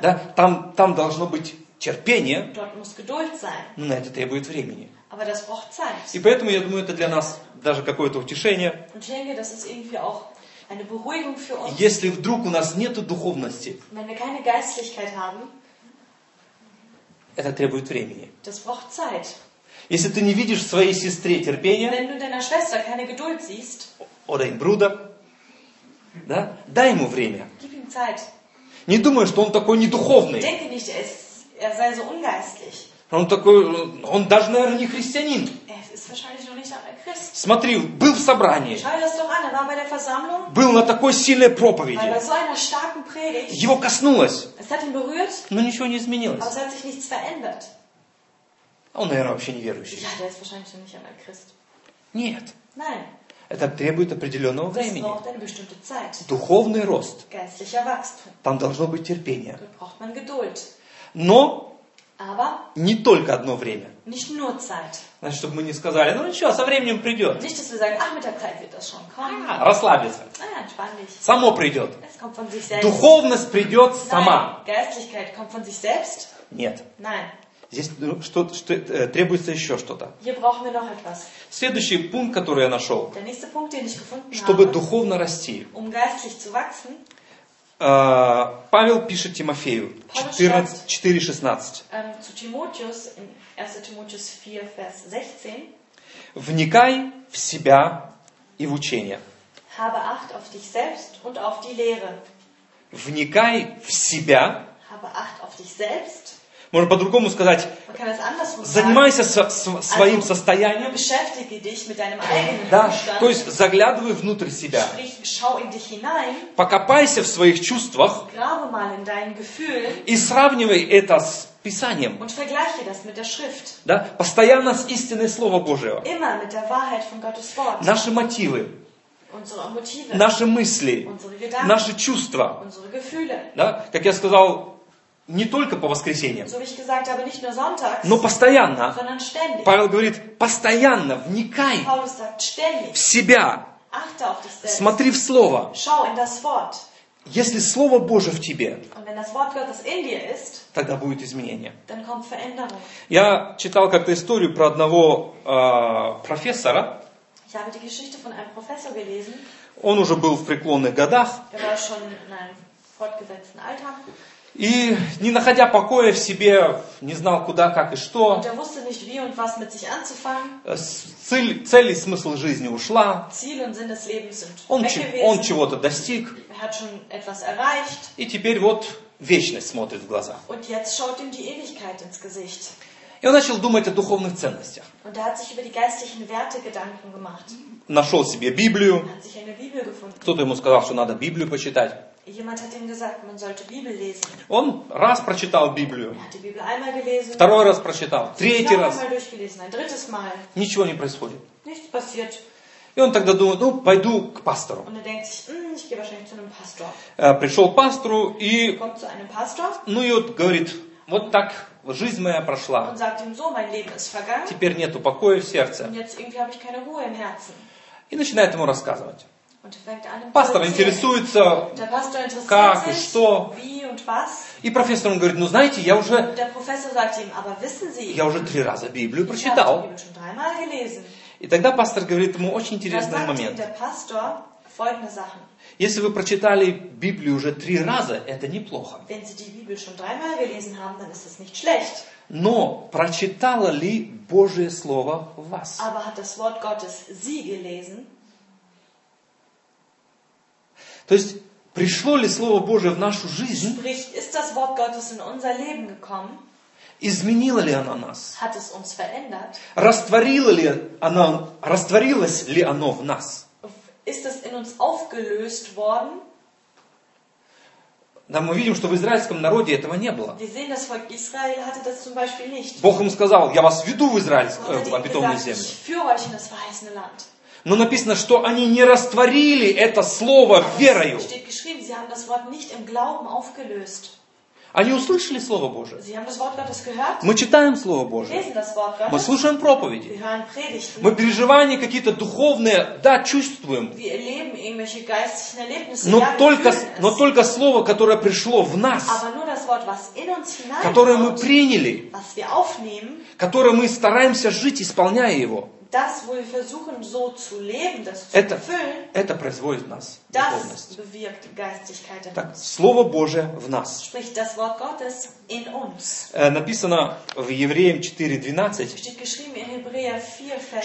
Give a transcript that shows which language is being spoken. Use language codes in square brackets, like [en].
[ru] Да, там должно быть терпение. [de] Dort muss Geduld sein. [ru] Но на это требует времени. [de] Aber das braucht Zeit. [ru] И поэтому, я думаю, это для нас даже какое-то утешение. [de] Und ich denke, das ist irgendwie auch eine Beruhigung für uns. [ru] Если вдруг у нас нету духовности, [de] wenn wir keine Geistlichkeit haben, [ru] это требует времени. [de] Das braucht Zeit. [ru] Если ты не видишь своей сестре терпения, [de] wenn du deiner Schwester keine Geduld siehst, oder im Bruder, [ru] да? Дай ему время. [de] Gib ihm Zeit. [ru] Не думай, что он такой недуховный. [de] Denke nicht, er sei so ungeistlich. [ru] Он такой, он даже, наверное, не христианин. [de] Er ist wahrscheinlich noch nicht einmal Christ. [ru] Смотри, был в собрании. [de] Schau das doch an, er war bei der Versammlung. [ru] Был на такой сильной проповеди. [de] Weil er so einer starken Predigt. [ru] Его коснулось. [de] Es hat ihn berührt. [ru] Но ничего не изменилось. [de] Aber es hat sich nichts verändert. [ru] Он, наверное, вообще неверующий. [de] Ja, der ist wahrscheinlich noch nicht einmal Christ. [ru] Нет. [de] Nein. [ru] Это требует определенного времени. [de] Zeit. [ru] Духовный рост. [de] Geistlicher Wachstum. [ru] Там должно быть терпение. [de] Dort braucht man Geduld. [ru] Но [de] Aber [ru] не только одно время. [de] Nicht nur Zeit. [ru] Значит, чтобы мы не сказали, ну ничего, со временем придет. [de] Nicht, dass wir sagen, ach, mit der Zeit wird das schon kommen. [ru] А, расслабиться. [de] Entspann dich. [ru] Само придет. [de] Es kommt von sich selbst. [ru] Духовность придет [de] Nein. [ru] сама. [de] Geistlichkeit kommt von sich selbst? [ru] Нет. [de] Nein. [ru] Здесь что требуется еще что-то. [de] Hier brauchen wir noch etwas. [ru] Следующий пункт, который я нашел. [de] Der nächste Punkt, den ich gefunden habe, [ru] чтобы духовно расти. [de] Um geistlich zu wachsen, [ru] Павел пишет Тимофею 4:16. [de] Zu Timotheus in 1. Timotheus 4, Vers 16. [ru] Вникай в себя и в учение. [de] Habe acht auf dich selbst und auf die Lehre. [ru] Вникай в себя. [de] Habe acht auf dich selbst. [ru] Можно по-другому сказать, занимайся своим [de] also, [ru] состоянием. [de] Beschäftige dich mit deinem eigenen Zustand, [ru] да, то есть заглядывай внутрь себя. [de] Sprich, schau in dich hinein, [ru] покопайся в своих чувствах. [de] Grabe mal in deinen Gefühlen, [ru] и сравнивай это с Писанием. [de] Und vergleiche das mit der Schrift. [ru] Да, постоянно с истиной Слова Божьего. [de] Immer mit der Wahrheit von Gottes Wort. [ru] Наши мотивы. [de] Unsere Motive, [ru] наши мысли, [de] unsere Gedanken, [ru] наши чувства. [de] Unsere Gefühle, [ru] да? Как я сказал, не только по воскресеньям, [de] so wie ich gesagt habe, nicht nur sonntags, [ru] но постоянно. [de] Sondern ständig. [ru] Павел говорит, постоянно вникай [de] Paulus sagt, ständig, [ru] в себя. [de] Achte auf dich selbst, [ru] смотри в Слово. [de] Schau in das Wort. [ru] Если Слово Божие в тебе, [de] und wenn das Wort Gottes in dir ist, [ru] тогда будет изменение. [de] Dann kommt Veränderung. [ru] Я читал как-то историю про одного профессора. [de] Ich habe die Geschichte von einem Professor gelesen. [ru] Он уже был в преклонных годах. [de] Er war schon in einem fortgesetzten Alter. [ru] И не находя покоя в себе, не знал куда, как и что. [de] Und er wusste nicht, wie und was mit sich anzufangen. [ru] Цель и смысл жизни ушла. [de] Ziel und Sinn des Lebens sind weggewesen. [ru] Он чего-то достиг. [de] Er hat schon etwas erreicht. [ru] И теперь вот вечность смотрит в глаза. [de] Und jetzt schaut ihm die Ewigkeit ins Gesicht. [ru] И он начал думать о духовных ценностях. [de] Und er hat sich über die geistlichen Werte Gedanken gemacht. [ru] Нашел себе Библию. [de] Hat sich eine Bibel gefunden. [ru] Кто-то ему сказал, что надо Библию почитать. [de] Jemand hat ihm gesagt, man sollte Bibel lesen. [ru] Он раз прочитал Библию. [de] Er hat die Bibel einmal gelesen. [ru] Второй раз прочитал. Третий раз. [de] Einmal durchgelesen, ein drittes Mal. [ru] Ничего не происходит. [de] Nichts passiert. [ru] И он тогда думает, ну, пойду к пастору. [de] Und er denkt sich, ich gehe wahrscheinlich zu einem Pastor. [ru] Пришел к пастору и... [de] Kommt zu einem Pastor. [ru] Ну и вот говорит, вот так... Жизнь моя прошла. [de] Und sagt ihm so, mein Leben ist vergangen. [ru] Теперь нету покоя в сердце. [de] Und jetzt irgendwie habe ich keine Ruhe im Herzen. [ru] И начинает ему рассказывать. [de] Und fängt an, [ru] пастор интересуется, [de] der Pastor interessiert sich, [ru] как и что. [de] Wie und was. [ru] И профессор ему говорит, ну знаете, я уже... [de] Und der Professor sagt ihm, aber wissen Sie, [ru] я уже три раза Библию прочитал. [de] Ich habe die Bibel schon dreimal gelesen. [ru] И тогда пастор говорит ему очень интересный момент. [de] Der Pastor folgende Sachen. [ru] Если вы прочитали Библию уже три раза, это неплохо. [de] Wenn Sie die Bibel schon dreimal gelesen haben, dann ist das nicht schlecht. [ru] Но прочитало ли Божье Слово вас? [de] Aber hat das Wort Gottes Sie gelesen? [ru] То есть, пришло ли Слово Божие в нашу жизнь? [de] Sprich, ist das Wort Gottes in unser Leben gekommen? [ru] Изменило ли оно нас? [de] Hat es uns verändert? [ru] Растворилось ли оно в нас? [de] Ist es in uns aufgelöst worden? [ru] Да, мы видим, что в израильском народе этого не было. [de] Wir sehen, das Volk Israel hatte das zum Beispiel nicht. [ru] Бог ему сказал, я вас веду в израильскую обетованную землю. [de] Ich führe euch in das verheißene Land. [ru] Но написано, что они не растворили это слово верою. [de] Steht geschrieben, sie haben das Wort nicht im Glauben aufgelöst. [ru] Они услышали Слово Божие. [de] Sie haben das Wort Gottes gehört? [ru] Мы читаем Слово Божие. [de] Lesen das Wort Gottes? [ru] Мы слушаем проповеди. [de] Wir hören Predigten. [ru] Мы переживания какие-то духовные, да, чувствуем. [de] Wir erleben irgendwelche geistlichen Erlebnisse. [ru] Но только Слово, которое пришло в нас, [de] aber nur das Wort, was in uns hineinkommt, [ru] которое мы приняли, [de] was wir aufnehmen, [ru] которое мы стараемся жить, исполняя его, [de] das, wo wir versuchen, so zu leben, das zu erfüllen, [ru] это производит нас. [de] Das bewirkt Geistlichkeit in [ru] так, [de] uns. [ru] Слово Божие в нас. [de] Sprich, das Wort Gottes in uns. [ru] Написано в Евреям 4:12, [de] steht geschrieben in Hebräer 4:12,